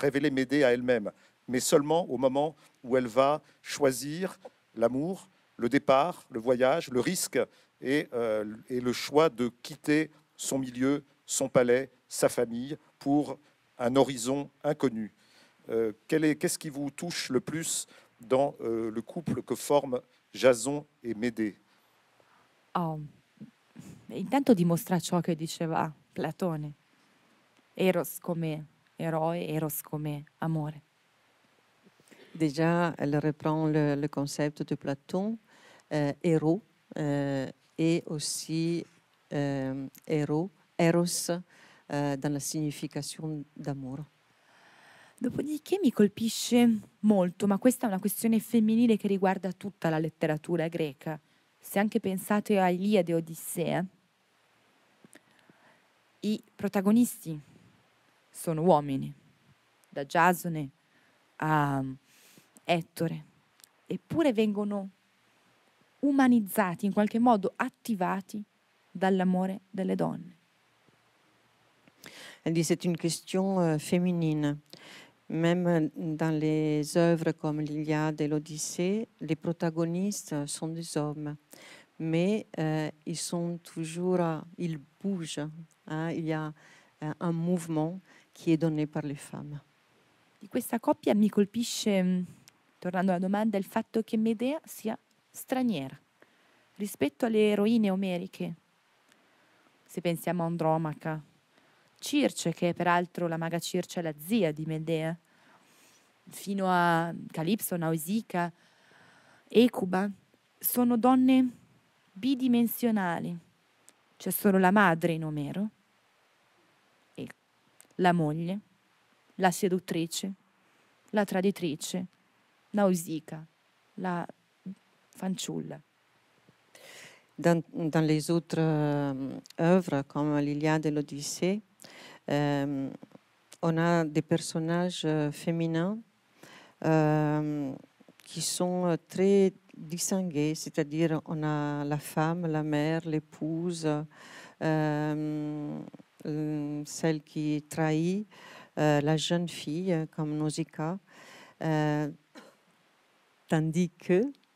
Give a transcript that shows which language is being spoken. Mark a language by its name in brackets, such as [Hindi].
[French] Médée à elle-même, mais seulement au moment où elle va choisir l'amour, le départ, le voyage, le risque, et le choix de quitter son milieu, son palais, sa famille, pour un horizon inconnu. Qu'est-ce qui vous touche le plus dans le couple que forment Jason et Médée? [Italian] Intanto dimostra ciò che diceva Platone. Eros come eroe, eros come amore. [French] Déjà, elle reprend le concept de Platon, héros, et aussi héros, eros, dans la signification d'amour. [Italian] Dopodiché mi colpisce molto, ma questa è una questione femminile che riguarda tutta la letteratura greca. Se anche pensate a Iliade e Odissea, i protagonisti sono uomini, da Giasone a Ettore, eppure vengono umanizzati, in qualche modo attivati dall'amore delle donne. [French] Elle dit, c'est une question féminine. Même dans les œuvres comme l'Iliade et l'Odyssée, les protagonistes sont des hommes, mais ils sont toujours, ils bougent. Hein, il y a un mouvement qui est donné par les femmes. [Italian] Di questa coppia mi colpisce, tornando alla domanda, il fatto che Medea sia straniera rispetto alle eroine omeriche. Se pensiamo a Andromaca, Circe, che è peraltro la maga Circe, la zia di Medea, fino a Calipso, Nausicaa, Ecuba, sono donne bidimensionali, C'è solo la madre in Omero, e la moglie, la seduttrice, la traditrice, Nausicaa, la fanciulla. [French] Dans les autres œuvres, comme l'Iliade et l'Odyssée, on a des personnages féminins qui sont très distingués, c'est-à-dire on a la femme, la mère, l'épouse, celle qui trahit, la jeune fille, comme Nausicaa, tandis que...